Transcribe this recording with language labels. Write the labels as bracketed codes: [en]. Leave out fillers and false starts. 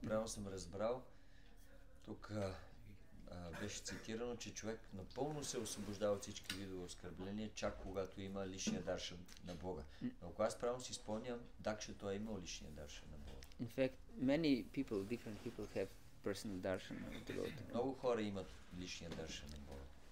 [bg] правилно съм разбрал, тук беше цитирано, че човек напълно се освобождава от всички видове оскърбления, чак когато има личния даршан на Бога. Но ако аз правилно си спомням, дакше той е имал личния даршан на Бога. [en] In fact, many people, different people have personal darshan of the Lord. [bg] Много хора имат личния даршан на Бога.